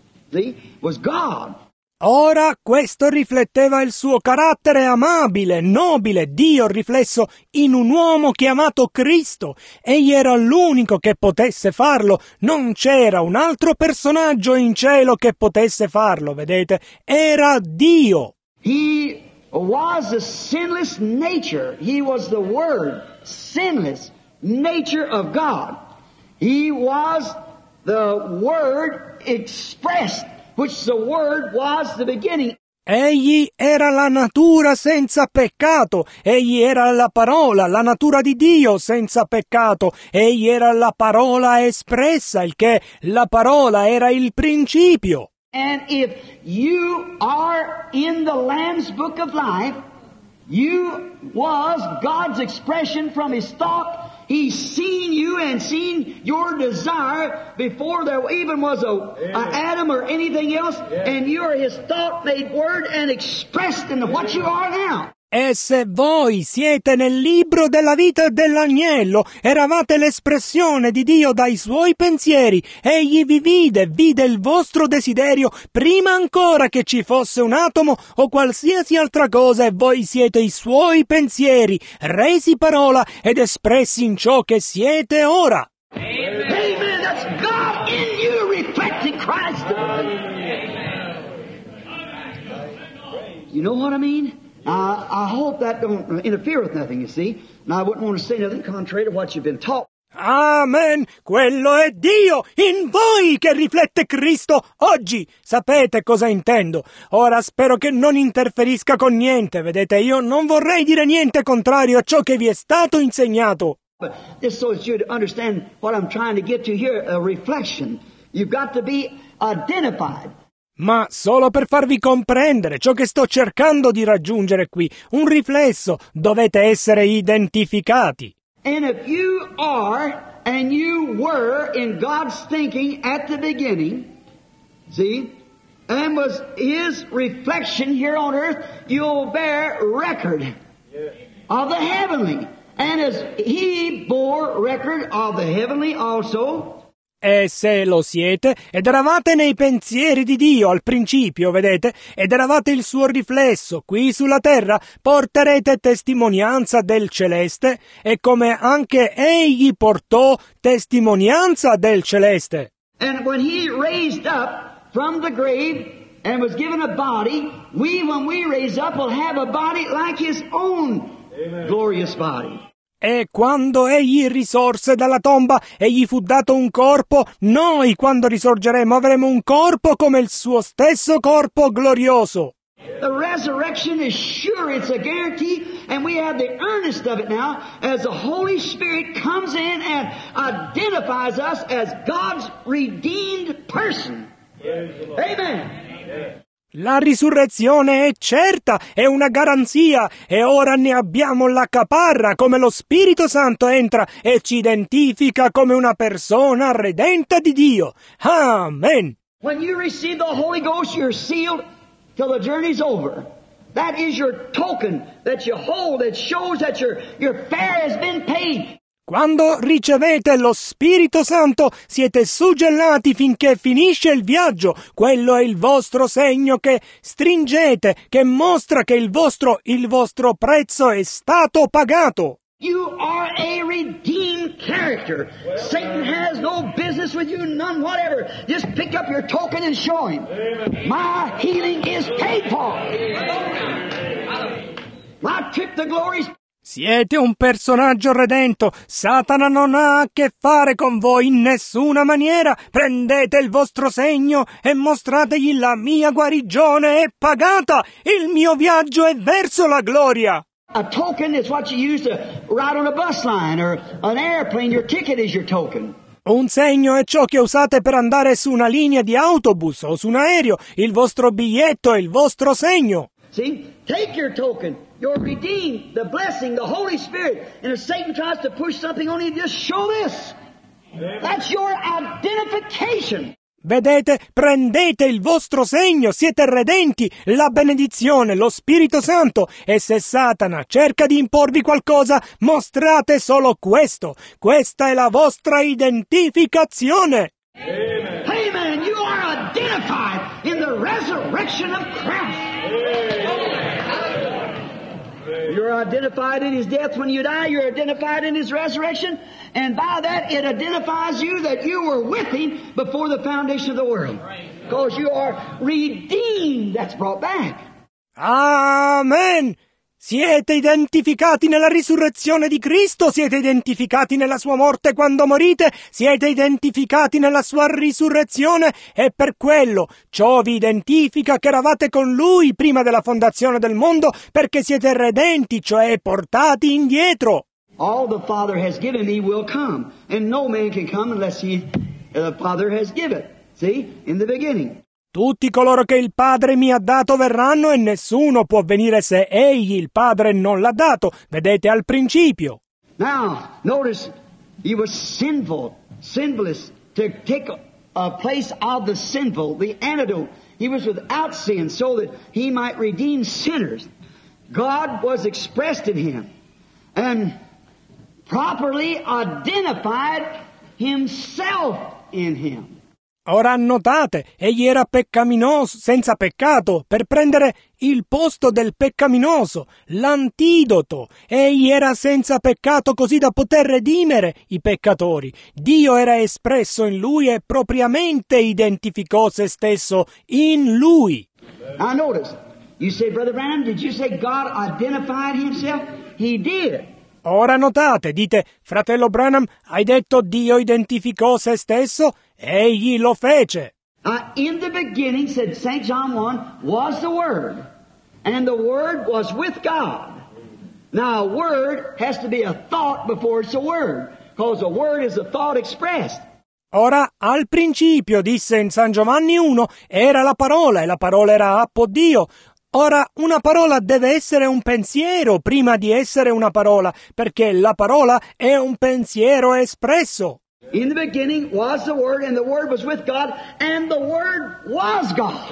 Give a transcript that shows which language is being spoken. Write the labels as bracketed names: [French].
[English] See? Was God. [Italian] Ora questo rifletteva il suo carattere amabile, nobile, Dio riflesso in un uomo chiamato Cristo. Egli era l'unico che potesse farlo. Non c'era un altro personaggio in cielo che potesse farlo, vedete? Era Dio. [English] He was a sinless nature. He was the Word, sinless. Nature of God. He was the Word expressed, which the Word was the beginning. [Italian] Egli era la natura senza peccato. Egli era la parola, la natura di Dio senza peccato. Egli era la parola espressa, il che la parola era il principio. [English] And if you are in the Lamb's Book of Life, you was God's expression from His thought. He's seen you and seen your desire before there even was a Adam or anything else, and you are His thought made word and expressed in what you are now. [Italian] E se voi siete nel libro della vita dell'agnello, eravate l'espressione di Dio dai suoi pensieri, egli vi vide il vostro desiderio prima ancora che ci fosse un atomo o qualsiasi altra cosa, e voi siete i suoi pensieri, resi parola ed espressi in ciò che siete ora. Amen. Amen. [English] That's God in you reflecting Christ. You know what I mean? I hope that don't interfere with nothing, you see. And I wouldn't want to say nothing contrary to what you've been taught. Amen! [Italian] Quello è Dio in voi che riflette Cristo oggi! Sapete cosa intendo? Ora spero che non interferisca con niente, vedete? Io non vorrei dire niente contrario a ciò che vi è stato insegnato. [English] But just so that you'd understand what I'm trying to get to here, a reflection. You've got to be identified. [Italian] Ma solo per farvi comprendere ciò che sto cercando di raggiungere qui, un riflesso, dovete essere identificati. [English] And if you are and you were in God's thinking at the beginning, see, and was His reflection here on earth, you'll bear record of the heavenly. And as He bore record of the heavenly also. [Italian] E se lo siete, ed eravate nei pensieri di Dio al principio, vedete, ed eravate il suo riflesso qui sulla terra, porterete testimonianza del celeste, e come anche egli portò testimonianza del celeste. [English] And when he raised up from the grave and was given a body, we, when we raise up, will have a body like his own. Amen. Glorious body. [Italian] E quando egli risorse dalla tomba e gli fu dato un corpo, noi quando risorgeremo avremo un corpo come il suo stesso corpo glorioso. [English] The resurrection is sure, it's a guarantee, and we have the earnest of it now as the Holy Spirit comes in and identifies us as God's redeemed person. Amen. [Italian] La risurrezione è certa, è una garanzia, e ora ne abbiamo la caparra, come lo Spirito Santo entra e ci identifica come una persona redenta di Dio. Amen. [English] When you receive the Holy Ghost, you're sealed till the journey's over. That is your token that you hold, that shows that your fare has been paid. [Italian] Quando ricevete lo Spirito Santo, siete suggellati finché finisce il viaggio. Quello è il vostro segno che stringete, che mostra che il vostro prezzo è stato pagato. [English] You are a redeemed character. Satan has no business with you, none whatever. Just pick up your token and show him. My healing is paid for. My trip to glory. [Italian] Siete un personaggio redento. Satana non ha a che fare con voi in nessuna maniera. Prendete il vostro segno e mostrategli la mia guarigione è pagata. Il mio viaggio è verso la gloria. [English] A token is what you use to ride on a bus line or an airplane. Your ticket is your token. [Italian] Un segno è ciò che usate per andare su una linea di autobus o su un aereo. Il vostro biglietto è il vostro segno. [English] See? Take your token. You're redeemed, the blessing, the Holy Spirit. And if Satan tries to push something on you, just show this. That's your identification. [Italian] Vedete, prendete il vostro segno, siete redenti, la benedizione, lo Spirito Santo. E se Satana cerca di imporvi qualcosa, mostrate solo questo. Questa è la vostra identificazione. Amen. Amen. [English] You are identified in the resurrection of Christ. You're identified in His death when you die. You're identified in His resurrection. And by that, it identifies you that you were with Him before the foundation of the world. Because you are redeemed. That's brought back. Amen. [Italian] Siete identificati nella risurrezione di Cristo, siete identificati nella sua morte quando morite, siete identificati nella sua risurrezione, e per quello ciò vi identifica che eravate con lui prima della fondazione del mondo, perché siete redenti, cioè portati indietro. [English] All the Father has given me will come, and no man can come unless the Father has given. See, in the beginning. [Italian] Tutti coloro che il Padre mi ha dato verranno e nessuno può venire se egli, il Padre, non l'ha dato. Vedete al principio. [English] Now, notice, you were sinful, sinless, to take a place of the sinful, the antidote. He was without sin so that he might redeem sinners. God was expressed in him and properly identified himself in him. [Italian] Ora annotate, egli era peccaminoso, senza peccato, per prendere il posto del peccaminoso, l'antidoto. Egli era senza peccato così da poter redimere i peccatori. Dio era espresso in lui e propriamente identificò se stesso in lui. [English] I notice, you say, Brother Branham, did you say God identified himself? He did. [Italian] Ora notate, dite, fratello Branham, hai detto Dio identificò se stesso? Egli lo fece. [English] In the beginning, said St. John 1, was the Word, and the Word was with God. Now, a word has to be a thought before it's a word, because a word is a thought expressed. [Italian] Ora, al principio, disse in San Giovanni 1, era la parola, e la parola era appo Dio. Ora, una parola deve essere un pensiero prima di essere una parola, perché la parola è un pensiero espresso. [English] In the beginning was the Word, and the Word was with God, and the Word was God.